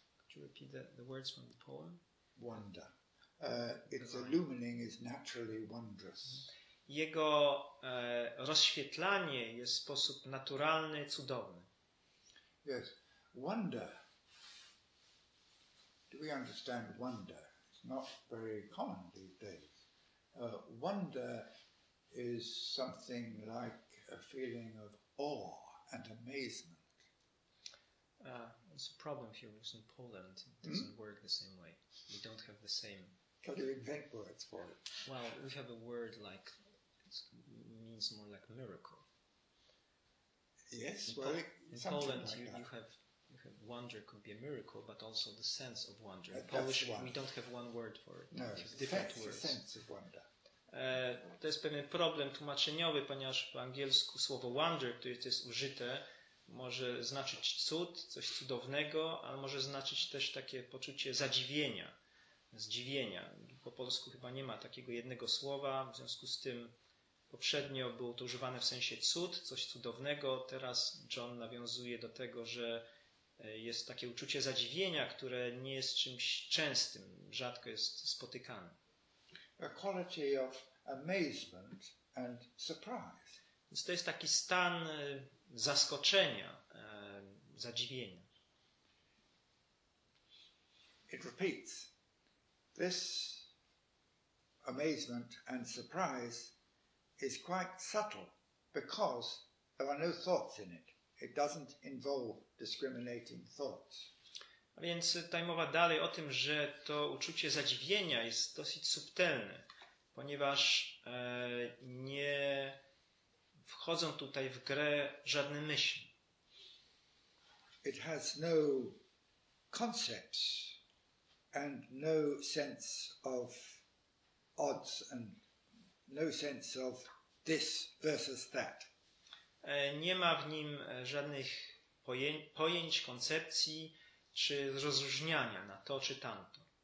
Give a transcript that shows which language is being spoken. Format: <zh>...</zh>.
<en>Could you repeat the words from the poem? Wonder. Its illumining is naturally wondrous.</en> <pl>Jego rozświetlanie jest w sposób naturalny, cudowny.</pl> <en>Yes. Wonder. Do we understand wonder? It's not very common these days. Wonder is something like a feeling of awe and amazement. It's a problem here in Poland. It doesn't work the same way. We don't have the same... Can you invent words for it? Well, we have a word like... It means more like miracle. Yes, well, in Poland, like you have wonder could be a miracle, but also the sense of wonder. In Polish, we don't have one word for it. No, different words. The sense of wonder.</en> <pl>To jest pewien problem tłumaczeniowy, ponieważ po angielsku słowo wonder, które tu jest użyte, może znaczyć cud, coś cudownego, ale może znaczyć też takie poczucie zadziwienia, zdziwienia. Po polsku chyba nie ma takiego jednego słowa, w związku z tym poprzednio było to używane w sensie cud, coś cudownego. Teraz John nawiązuje do tego, że jest takie uczucie zadziwienia, które nie jest czymś częstym, rzadko jest spotykane.</pl> <en>A quality of amazement and surprise.</en> <pl>Więc to jest taki stan zaskoczenia, zadziwienia.</pl> <en>It repeats. This amazement and surprise is quite subtle because there are no thoughts in it. It doesn't involve discriminating thoughts.</en> <pl>A więc tutaj mowa dalej o tym, że to uczucie zadziwienia jest dosyć subtelne, ponieważ nie wchodzą tutaj w grę żadne myśli.</pl> <en>It has no concepts and no sense of odds and no sense of this versus that.</en> <pl>Nie ma w nim żadnych pojęć, koncepcji czy rozróżniania na to czy tamto.</pl>